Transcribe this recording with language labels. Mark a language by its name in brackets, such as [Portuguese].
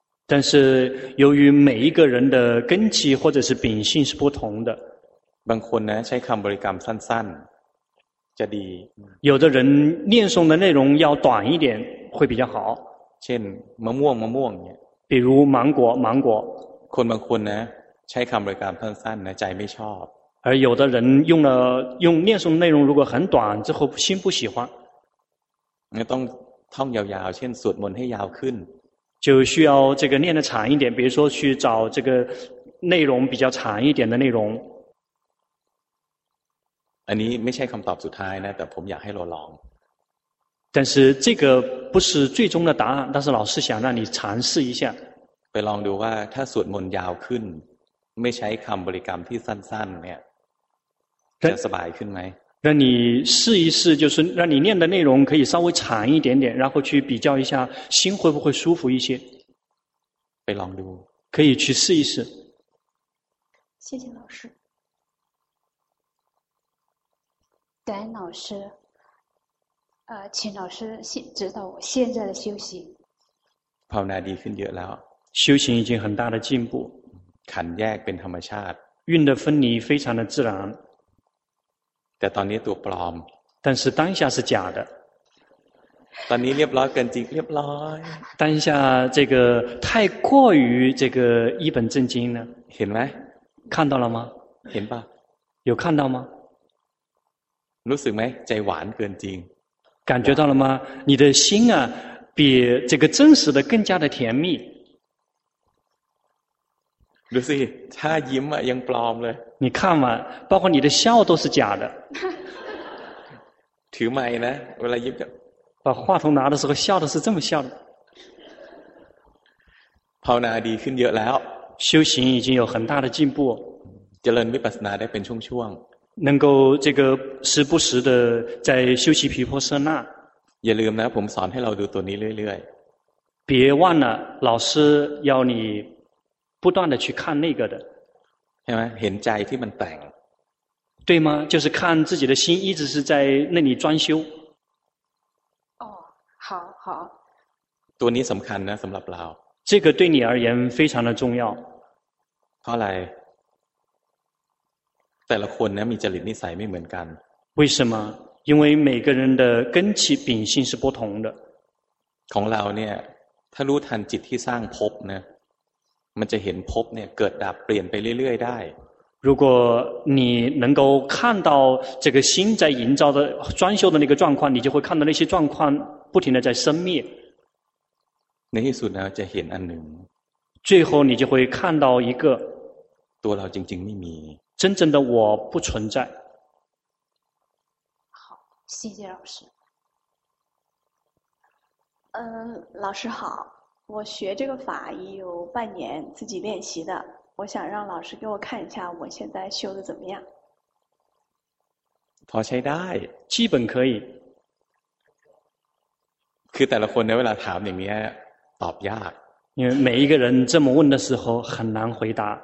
[Chinese] 但是由于每一个人的根基或者是秉性是不同的 [Thai] บางคนนะใช้คำบริกรรมสั้นๆจะดี [Chinese] 有的人念诵的内容要短一点会比较好 [Thai] เช่นมะม่วงมะม่วงเนี่ย [Chinese] 比如芒果芒果 [Thai] คนบางคนนะใช้คำบริกรรมสั้นๆในใจไม่ชอบ [Chinese] 而有的人用了用念诵内容如果很短之后心不喜欢 [Thai] 你ต้องท่องยาวๆเช่นสวดมนต์ให้ยาวขึ้น [Chinese] 就需要这个念的长一点比如说去找这个内容比较长一点的内容 [Thai] อันนี้ไม่ใช่คำตอบสุดท้ายนะแต่ผมอยากให้เราลอง [Chinese] 但是这个不是最终的答案但是老师想让你尝试一下 [Thai] ไปลองดูว่าถ้าสวดมนต์ยาวขึ้นไม่ใช้คำบริกรรมที่สั้นๆเนี่ยจะสบายขึ้นไหม [Chinese] 让你试一试就是让你念的内容可以稍微长一点点然后去比较一下心会不会舒服一些 [Thai] ไปลองดู [Chinese] 可以去试一试谢谢老师感恩老师请老师指导我现在的修行 [Thai] ภาวนาดีขึ้นเยอะแล้ว [Chinese] 修行已经很大的进步 [Thai] ขันแยกเป็นธรรมชาติ [Chinese] 运的分离非常的自然 [Thai] แต่ตอนนี้ตัวปลอม [Chinese] 但是当下是假的 [Thai] ตอนนี้เรียบร้อยเกินจริงเรียบร้อย [Chinese] 当下这个太过于这个一本正经呢 [Thai] เห็นไหม [Chinese] 看到了吗 [Thai] เห็นป่ะ [Chinese] 有看到吗 [Thai] รู้สึกไหมใจหวานเกินจริง [Chinese] 感觉到了吗你的心啊比这个真实的更加的甜蜜 [Thai] ดูสิถ้ายิ้มอ่ะยังปลอมเลย [Chinese] 你看嘛包括你的笑都是假的 [Thai] ถือไมค์นะเวลายิ้มจะ [Chinese] 把话筒拿的时候笑的是这么笑的 [Thai] ภาวนาดีขึ้นเยอะแล้ว [Chinese] 修行已经有很大的进步 [Thai] เจริญวิปัสสนาได้เป็นช่วงๆ [Chinese] 能够这个时不时的在修习毗婆舍那 [Thai] อย่าลืมนะผมสอนให้เราดูตัวนี้เรื่อย [Chinese] ๆ别忘了老师要你不断的去看那个的 [Thai] ใช่ไหมเห็นใจที่มันแต่ง [Chinese] 对吗就是看自己的心一直是在那里装修哦好好 [Thai] ตัวนี้สำคัญนะสำหรับเรา [Chinese] 这个对你而言非常的重要 [Thai] เพราะอะไรแต่ละคนนะมีจริตนิสัยไม่เหมือนกัน [Chinese] 为什么因为每个人的根基秉性是不同的 [Thai] ของเราเนี่ยถ้ารู้ทันจิตที่สร้างภพนะมันจะเห็นภพเนี่ยเกิดดับเปลี่ยนไปเรื่อยๆได้ [Chinese] 如果你能够看到这个心在营造的装修的那个状况你就会看到那些状况不停的在生灭 [Thai] ในที่สุดนะจะเห็นอันหนึ่ง [Chinese] 最后你就会看到一个 [Thai] ตัวเราจริงๆไม่มี [Chinese] 真正的我不存在好谢谢老师老师好我学这个法已有半年自己练习的我想让老师给我看一下我现在修的怎么样 [Thai] พอใช้ได้ [Chinese] 基本可以 [Thai] คือแต่ละคนในเวลาถามอย่างนี้ตอบยาก [Chinese] 因为每一个人这么问的时候很难回答